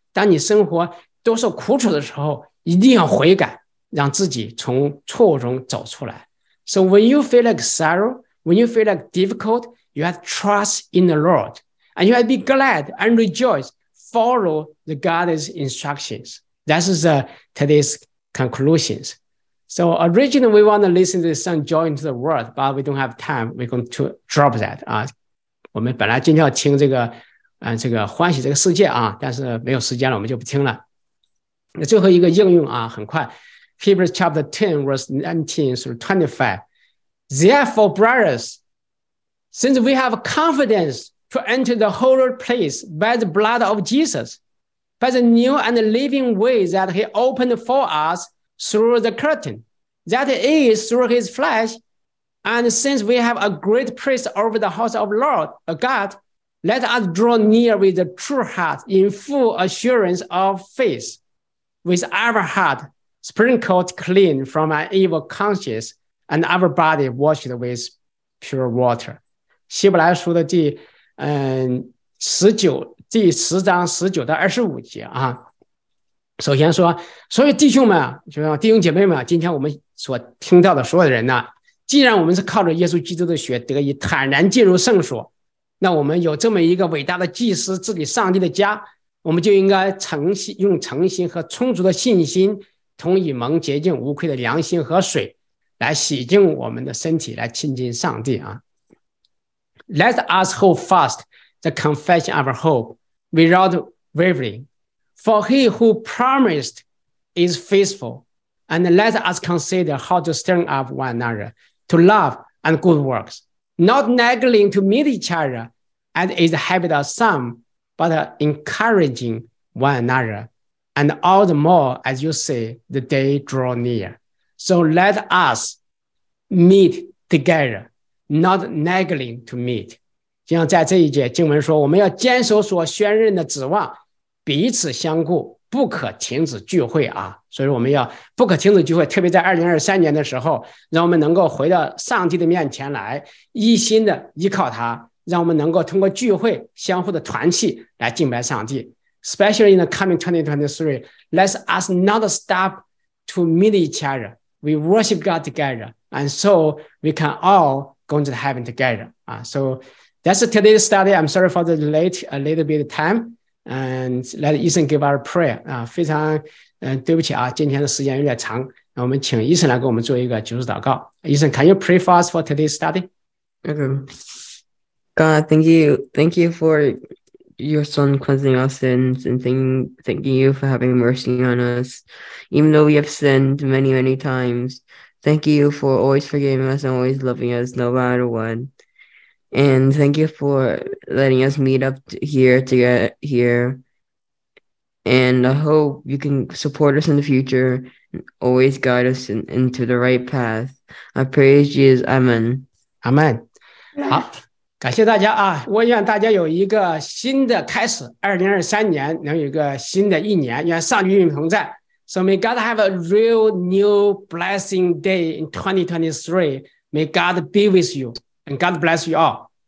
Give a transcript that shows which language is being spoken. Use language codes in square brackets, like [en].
[zh] 当你生活多受苦楚的时候，一定要悔改，让自己从错误中走出来。 [en] So when you feel like sorrow, when you feel like difficult, you have trust in the Lord, and you have to be glad and rejoice, follow the God's instructions. That is today's conclusions. So originally we want to listen to the song Joy into the World, but we don't have time, we're going to drop that. [zh] 我们本来今天要听这个这个欢喜这个世界啊，但是没有时间了，我们就不听了。那最后一个应用啊，很快， [en] Hebrews chapter 10 verse 19 through 25. Therefore, brothers, since we have confidence to enter the holy place by the blood of Jesus, but the new and living way that he opened for us through the curtain, that is through his flesh. And since we have a great priest over the house of Lord, a God, let us draw near with a true heart in full assurance of faith, with our heart sprinkled clean from an evil conscience and our body washed with pure water. [zh] 希伯来书的第十九第十章十九到二十五节啊，首先说，所以弟兄们，就像弟兄姐妹们，今天我们所听到的所有的人呢，既然我们是靠着耶稣基督的血得以坦然进入圣所，那我们有这么一个伟大的祭司治理上帝的家，我们就应该诚心用诚心和充足的信心，同以蒙洁净无愧的良心和水来洗净我们的身体，来亲近上帝啊。 [en] Let us hold fast the confession of our hope without wavering, for he who promised is faithful. And let us consider how to stir up one another to love and good works, not nagging to meet each other as is the habit of some, but encouraging one another, and all the more as you see the day draw near. So let us meet together. Not nagging to meet. [zh] 就像在这一节经文说，我们要坚守所宣认的指望，彼此相顾，不可停止聚会啊。所以我们要不可停止聚会，特别在2023年的时候，让我们能够回到上帝的面前来，一心的依靠他，让我们能够通过聚会相互的团契来敬拜上帝。 [en] Especially in the coming 2023, let us not stop to meet each other. We worship God together, and so we can all. Going to heaven together. So that's today's study. I'm sorry for the late, a little bit of time. And let Ethan give our prayer. [zh] 非常对不起啊，今天的时间有点长。那我们请 Ethan 来给我们做一个结束祷告。 [en] Ethan, can you pray for us for today's study? Okay. God, thank you. Thank you for your son cleansing our sins and thanking you for having mercy on us. Even though we have sinned many, many times,Thank you for always forgiving us and always loving us, no matter what. And thank you for letting us meet up here to get here. And I hope you can support us in the future and always guide us into the right path. I praise Jesus. Amen. [zh] Amen. 好，感谢大家啊！我愿大家有一个新的开始，2023年能有一个新的一年，愿上帝与你同在。 [en] So may God have a real new blessing day in 2023. May God be with you and God bless you all.